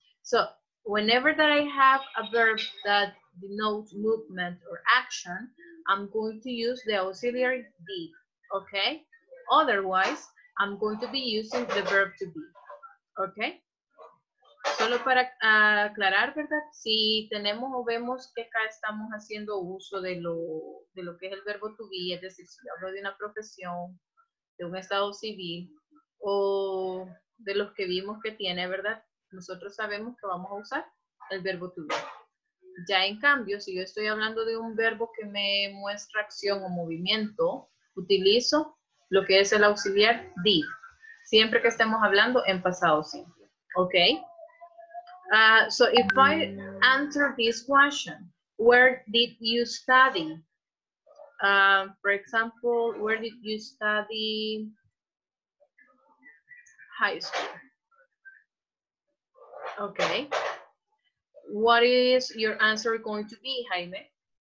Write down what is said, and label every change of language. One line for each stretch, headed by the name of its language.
English: So whenever that I have a verb that denotes movement or action, I'm going to use the auxiliary did, okay? Otherwise, I'm going to be using the verb to be, okay?
Spanish: Solo para aclarar, ¿verdad? Si tenemos o vemos que acá estamos haciendo uso de lo que es el verbo to be, es decir, si hablo de una profesión, de un estado civil, o de los que vimos que tiene, ¿verdad? Nosotros sabemos que vamos a usar el verbo to be. Ya en cambio, si yo estoy hablando de un verbo que me muestra acción o movimiento, utilizo lo que es el auxiliar did, siempre que estemos hablando en pasado simple, ¿ok?
English: So if I answer this question, where did you study? For example, where did you study high school? Okay. What is your answer going to be, Jaime?